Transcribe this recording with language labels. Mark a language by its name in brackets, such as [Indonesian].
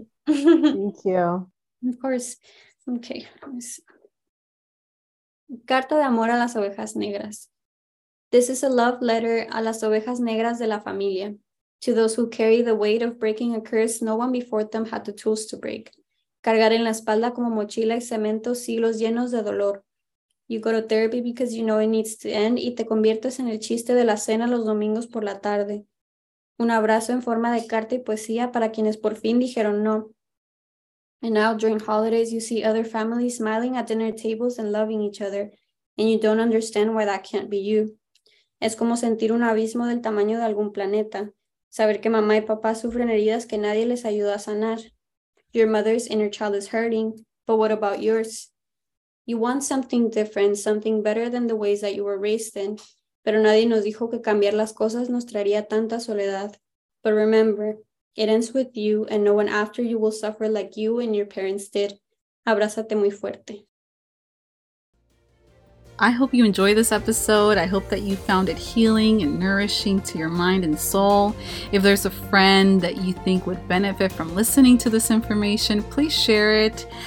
[English] Thank you. Of course. Okay. [Spanish] Carta de Amor a las Ovejas Negras. [English] This is a love letter [Spanish] a las ovejas negras de la familia. [English] To those who carry the weight of breaking a curse no one before them had the tools to break. [Spanish] Cargar en la espalda como mochila y cemento siglos llenos de dolor. [English] You go to therapy because you know it needs to end [Spanish] y te conviertes en el chiste de la cena los domingos por la tarde. Un abrazo en forma de carta y poesía para quienes por fin dijeron no. [English] And now during holidays you see other families smiling at dinner tables and loving each other. And you don't understand why that can't be you. [Spanish] Es como sentir un abismo del tamaño de algún planeta. Saber que mamá y papá sufren heridas que nadie les ayuda a sanar. [English] Your mother's inner child is hurting, but what about yours? You want something different, something better than the ways that you were raised in. [Spanish] Pero nadie nos dijo que cambiar las cosas nos traería tanta soledad. [English] But remember, it ends with you and no one after you will suffer like you and your parents did. [Spanish] Abrázate muy fuerte. [English] I hope you enjoyed this episode. I hope that you found it healing and nourishing to your mind and soul. If there's a friend that you think would benefit from listening to this information, please share it.